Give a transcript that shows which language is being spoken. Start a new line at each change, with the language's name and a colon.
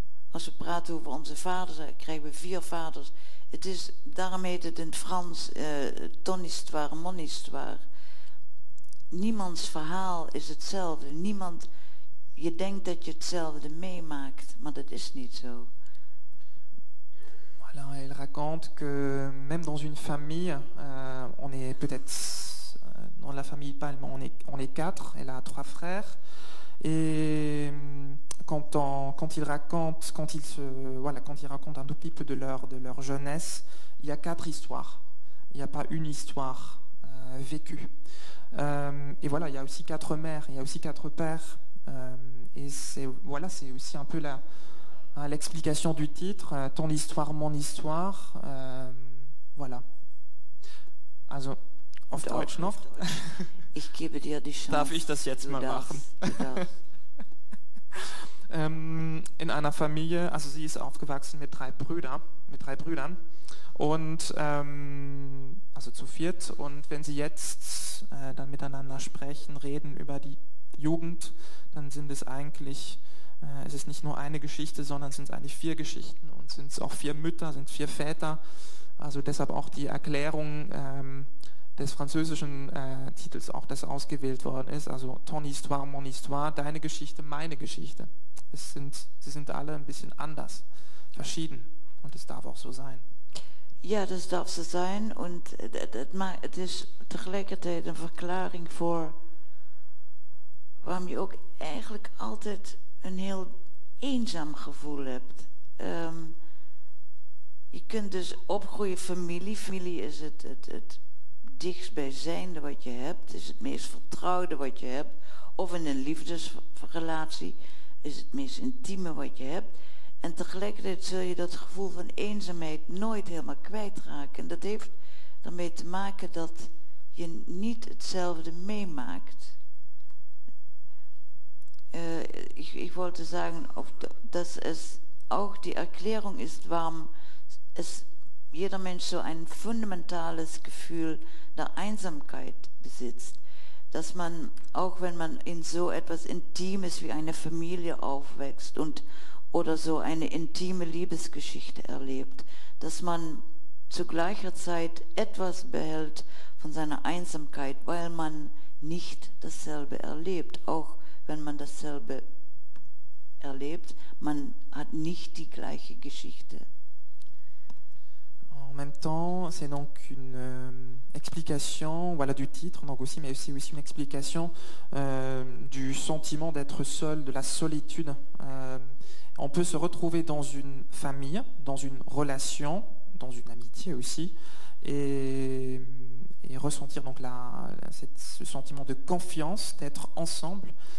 Dutch: Als we praten over onze vader zagen, krijgen we 4 vaders. Het is, daarom heet het in het Frans,
French: ton histoire, mon histoire.
Dutch: Niemands verhaal is hetzelfde. Niemand, je denkt dat je hetzelfde meemaakt, maar dat is niet zo.
French: Voilà, elle raconte que même dans une famille, on est peut-être dans la famille pas, on est 4, elle a 3 frères. Et quand il raconte un tout petit peu de leur jeunesse, il y a 4 histoires. Il n'y a pas une histoire vécue. Et voilà, il y a aussi 4 mères, il y a aussi 4 pères. Et c'est voilà, c'est aussi un peu la. À l'explication du titre, ton histoire, mon histoire, voilà.
German: Also, auf Deutsch noch. Ich gebe dir die Chance. Darf ich das jetzt mal machen? In einer Familie, also sie ist aufgewachsen mit 3 Brüdern, und also zu 4. Und wenn sie jetzt dann miteinander sprechen, reden über die Jugend, dann sind es eigentlich es ist nicht nur eine Geschichte, sondern es sind eigentlich 4 Geschichten und sind es auch 4 Mütter, sind es 4 Väter. Also deshalb auch die Erklärung des französischen Titels, auch das ausgewählt worden ist. Also
French: ton histoire, mon histoire,
German: deine Geschichte, meine Geschichte. Sie sind alle ein bisschen anders, verschieden und es darf auch so sein. Ja, das darf so sein und es ist gleichzeitig eine Verklärung für, warum ich auch eigentlich immer
Dutch: een heel eenzaam gevoel hebt. Je kunt dus opgroeien familie. Familie is het dichtstbijzijnde wat je hebt. Is het meest vertrouwde wat je hebt. Of in een liefdesrelatie is het meest intieme wat je hebt. En tegelijkertijd zul je dat gevoel van eenzaamheid nooit helemaal kwijtraken. En dat heeft ermee te maken dat je niet hetzelfde meemaakt.
German: Ich wollte sagen, dass es auch die Erklärung ist, warum es jeder Mensch so ein fundamentales Gefühl der Einsamkeit besitzt. Dass man, auch wenn man in so etwas Intimes wie eine Familie aufwächst und oder so eine intime Liebesgeschichte erlebt, dass man zu gleicher Zeit etwas behält von seiner Einsamkeit, weil man nicht dasselbe erlebt, auch wenn man dasselbe erlebt, man hat nicht die gleiche Geschichte.
French: En même temps, c'est donc une explication, voilà, du titre, donc aussi, mais c'est aussi une explication du sentiment d'être seul, de la solitude. On peut se retrouver dans une famille, dans une relation, dans une amitié aussi, et ressentir donc ce sentiment de confiance, d'être ensemble.